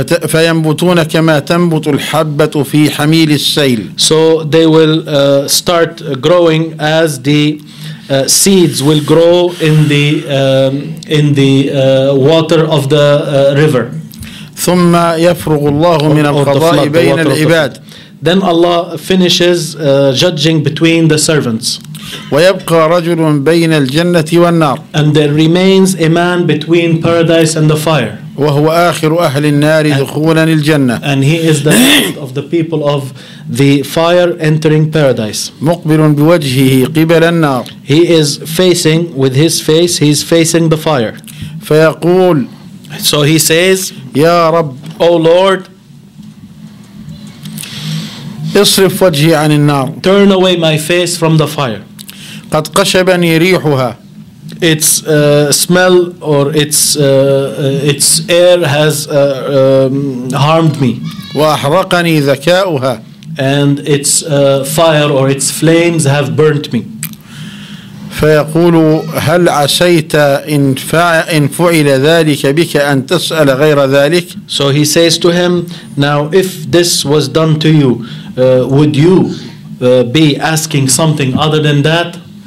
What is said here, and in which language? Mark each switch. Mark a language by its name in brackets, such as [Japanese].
[Arabic] فينبتون كما تنبت الحبة في حميل السيل. [English] So they will start growing as the seeds will grow in the water of the river. [Arabic] ثم يفرغ الله من القضاء بين العباد. [English] Then Allah finishes judging between the servants. [Arabic] ويبقى رجل بين الجنة والنار. [English] And there remains a man between paradise and the fire. [Arabic] وهو آخر أهل النار دخولا الجنة. [English] And he is the last of the people of the fire entering paradise. [Arabic] مقبل بوجهه قبل النار. [English] He is facing with his face, he is facing the fire. [Arabic] فيقول, [English] so he says, [Arabic] يا رب, [English] O Lord, [Arabic] اصرف وجهي عن النار. [English] Turn away my face from the fire. [Arabic] قد قشبني ريحها. [English] Its smell or its air has harmed me. [Arabic] وأحرقني ذكاؤها. [English] And its fire or its flames have burnt me. [Arabic] فيقول هل عسيت إن فعل ذلك بك أن تسأل غير ذلك. [English] So he says to him, now if this was done to you, would you be asking something other than that?